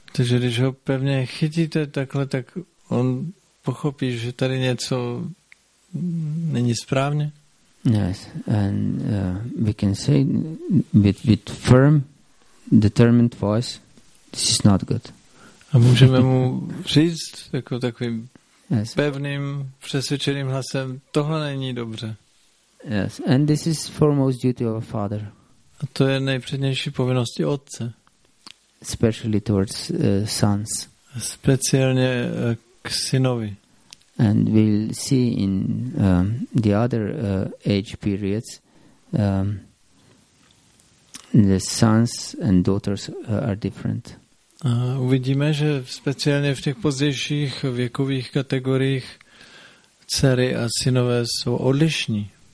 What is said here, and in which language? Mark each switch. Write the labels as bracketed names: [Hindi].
[Czech] Takže když ho pevně chytíte takhle, tak on pochopí, že tady něco není správně. [English] Yes, and we can say with firm, determined voice, this is not good. [Czech] A můžeme mu říct jako takovým yes. pevným, přesvědčeným hlasem, tohle není dobře. [English] Yes, and this is foremost duty of a father. [Czech] A to je nejpřednější povinnosti otce. [English] Especially towards sons. [Czech] Speciálně k synovi. [English] And we'll see in the other age periods the sons and daughters are different. [Czech] Uvidíme, že speciálně v těch pozdějších věkových kategoriích dcery a synové jsou odlišní.